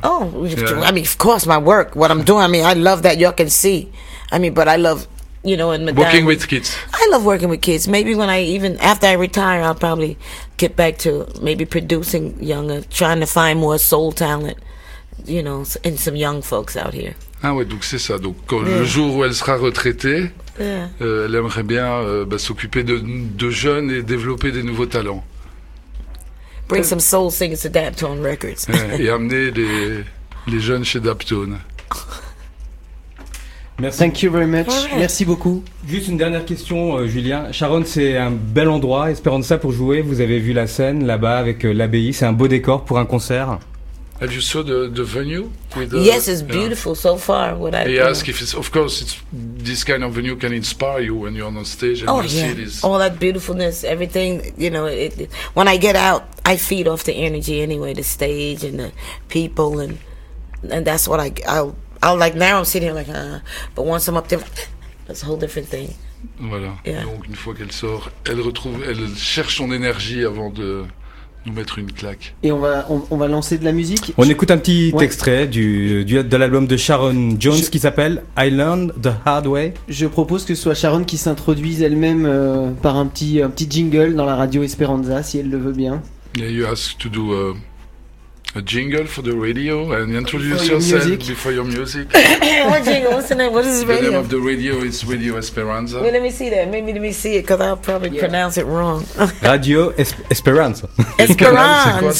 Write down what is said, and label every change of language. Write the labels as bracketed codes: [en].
[en] I mean, of course, my work, what I'm doing, I mean, I love that, y'all can see. I mean, but I love, you know, and Madame, working with kids. I love working with kids. Maybe when I even, after I retire, I'll probably get back to maybe producing younger, trying to find more soul talent. You know, and some young folks out here. [fr] Ah ouais, donc c'est ça. Donc quand, yeah. Le jour où elle sera retraitée, yeah. Elle aimerait bien s'occuper de jeunes et développer des nouveaux talents. [en] Bring some soul singers to Daptone Records. [fr] Et amener les jeunes chez Daptone. Merci. [en] Thank you very much. Right. [fr] Merci beaucoup. Juste une dernière question, Julien. Sharon, c'est un bel endroit. Espérons ça pour jouer. Vous avez vu la scène là-bas avec l'abbaye. C'est un beau décor pour un concert. [en] Have you saw the venue? With yes, it's beautiful so far. What I he asked if it's, of course, it's this kind of venue can inspire you when you're on stage and oh, you yeah. see this. All that beautifulness, everything, you know, it, when I get out, I feed off the energy anyway, the stage and the people, and that's what I'll like, now I'm sitting here like, but once I'm up there, that's a whole different thing. [fr] Voilà. [en] Yeah. [fr] Donc, une fois qu'elle sort, elle cherche son énergie avant de... nous mettre une claque. Et on va lancer de la musique. On écoute un petit ouais. extrait de l'album de Sharon Jones qui s'appelle I Learned the Hard Way. Je propose que ce soit Sharon qui s'introduise elle-même par un petit jingle dans la radio Esperanza si elle le veut bien. [en] Yeah, you ask to do a jingle for the radio and introduce yourself music. Before your music. What jingle? What's the name? What is the radio? The name of the radio is Radio Esperanza. Well, let me see that. Maybe let me see it because I'll probably pronounce it wrong. Radio Esperanza. Esperanza.